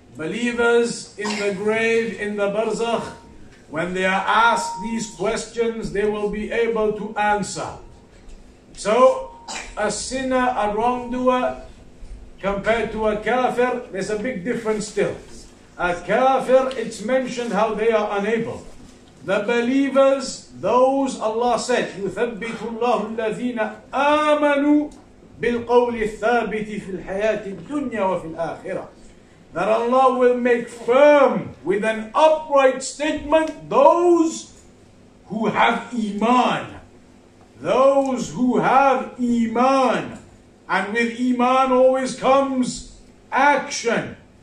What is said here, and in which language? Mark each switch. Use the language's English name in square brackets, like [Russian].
[English] Believers in the grave, in the barzakh, when they are asked these questions, they will be able to answer. So, a sinner, a wrongdoer, compared to a kafir, there's a big difference still. A kafir, it's mentioned how they are unable. The believers, those Allah said, [Arabic] يُثَبِّتُ اللَّهُ الَّذِينَ آمَنُوا بِالْقَوْلِ الثَّابِتِ فِي الْحَيَاةِ الدُّنْيَا وَفِي الْآخِرَةِ. [English] That Allah will make firm with an upright statement those who have iman. Those who have iman. And with iman always comes action.